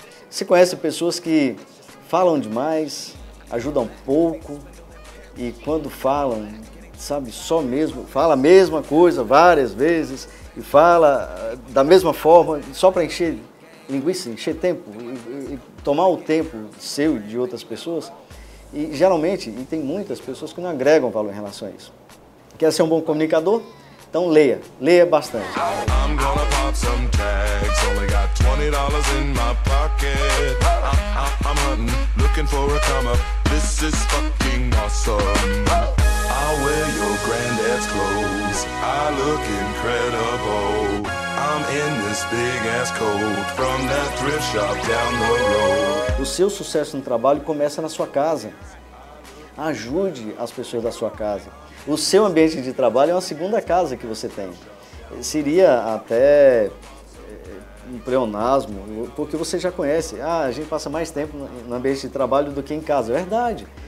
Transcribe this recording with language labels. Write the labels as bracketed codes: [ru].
[pt] Você conhece pessoas que falam demais, ajudam pouco e quando falam, sabe, só mesmo, fala a mesma coisa várias vezes e fala da mesma forma, só para encher linguiça, encher tempo e tomar o tempo seu e de outras pessoas. E geralmente, e tem muitas pessoas que não agregam valor em relação a isso. Quer ser um bom comunicador? Então leia bastante. [en] I'm gonna pop some tags, only got $20 in my pocket. I'm hunting, looking for a come up. This is fucking awesome. I'll wear your granddad's clothes. I look incredible. I'm in this big ass coat from that thrift shop down the road. [pt] O seu sucesso no trabalho começa na sua casa. Ajude as pessoas da sua casa. O seu ambiente de trabalho é uma segunda casa que você tem. Seria até um pleonasmo, porque você já conhece. Ah, a gente passa mais tempo no ambiente de trabalho do que em casa. É verdade.